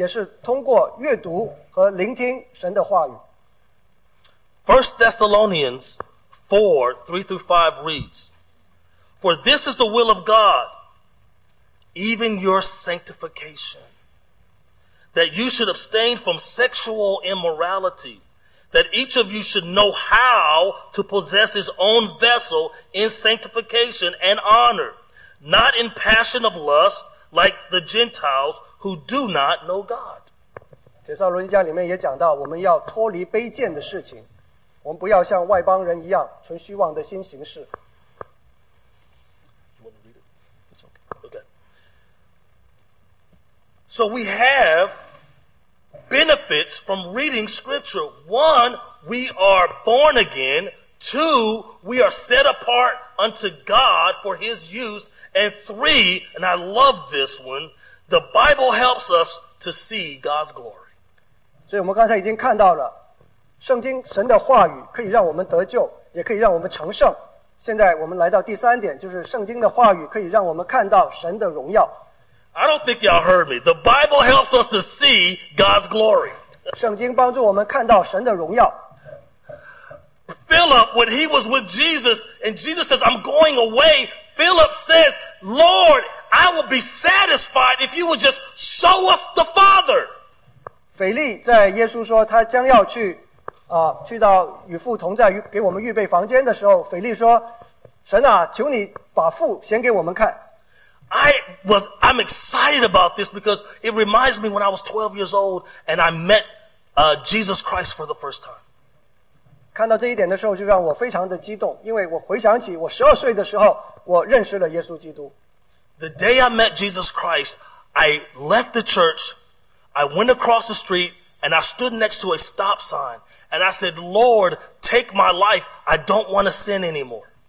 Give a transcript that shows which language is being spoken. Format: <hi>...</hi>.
<zh>这里讲到我们成圣的途径也是通过阅读和聆听神的话语。</zh> <en>1 Thessalonians 4:3-5 reads, For this is the will of God, even your sanctification, that you should abstain from sexual immorality, that each of you should know how to possess his own vessel in sanctification and honor, not in passion of lust like the Gentiles who do not know God.</en> <zh>帖撒罗尼迦里面也讲到我们要脱离卑贱的事情, 我们不要像外邦人一样存虚妄的心行事。</zh> <en>You want to read it? It's okay. Okay. So we have benefits from reading scripture. One, we are born again. Two, we are set apart unto God for his use. And three, and I love this one, the Bible helps us to see God's glory.</en> <zh>所以我们刚才已经看到了, 圣经神的话语可以让我们得救, 也可以让我们成圣。现在我们来到第三点, 就是圣经的话语可以让我们看到神的荣耀。</zh> <en>I don't think y'all heard me. The Bible helps us to see God's glory.</en> <zh>圣经帮助我们看到神的荣耀。</zh> <en>Philip, when he was with Jesus, and Jesus says, I'm going away, Philip says, Lord, I will be satisfied if you would just show us the Father.</en> <zh>腓力在耶稣说他将要去, 去到与父同在给我们预备房间的时候，腓力说：“神啊，求你把父显给我们看。”</zh> <en>I'm excited about this because it reminds me when I was 12 years old and I met Jesus Christ for the first time.</en> <zh>看到这一点的时候，就让我非常的激动，因为我回想起我12岁的时候，我认识了耶稣基督。</zh> <en>The day I met Jesus Christ, I left the church, I went across the street, and I stood next to a stop sign. And I said, Lord, take my life. I don't want to sin anymore.</en>